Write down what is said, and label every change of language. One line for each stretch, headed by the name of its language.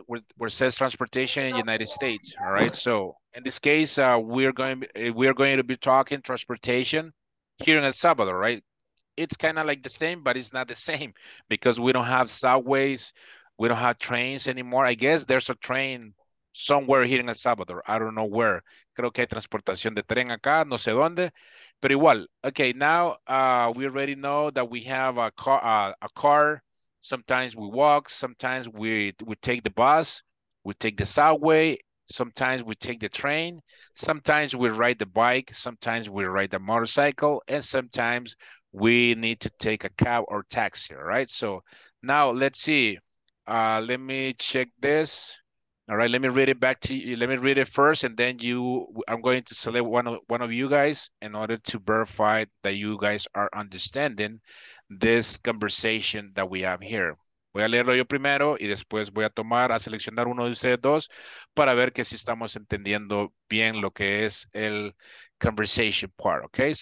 English: Where it says transportation in United States, all right? So in this case, we are going to be talking transportation here in El Salvador, right? It's kind of like the same, but it's not the same because we don't have subways, we don't have trains anymore. I guess there's a train somewhere here in El Salvador. I don't know where.
Spanish: Creo que hay transportación de tren acá, no sé dónde. Pero igual,
English: okay, now we already know that we have a car. Sometimes we walk, sometimes we take the bus, we take the subway, sometimes we take the train, sometimes we ride the bike, sometimes we ride the motorcycle, and sometimes we need to take a cab or taxi, all right? So now let's see. Let me check this. All right, let me read it back to you. Let me read it first, and then I'm going to select one of you guys in order to verify that you guys are understanding this conversation that we have here.
Spanish: Voy a leerlo yo primero, y después voy a tomar, a seleccionar uno de ustedes dos para ver que si estamos entendiendo bien lo que es el
English: conversation part,
Spanish: okay?